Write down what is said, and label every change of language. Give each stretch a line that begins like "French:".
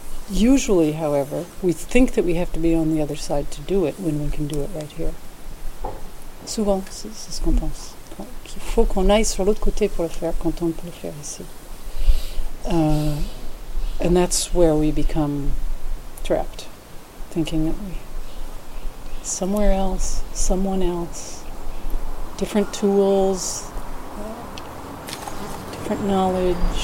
English: Usually, however, we think that we have to be on the other side to do it when we can do it right here.
French: Souvent, c'est ce qu'on pense. Qu'il faut qu'on aille sur l'autre côté pour le faire quand on peut le faire ici.
English: And that's where we become trapped, thinking that we... Somewhere else, someone else, different tools, different knowledge...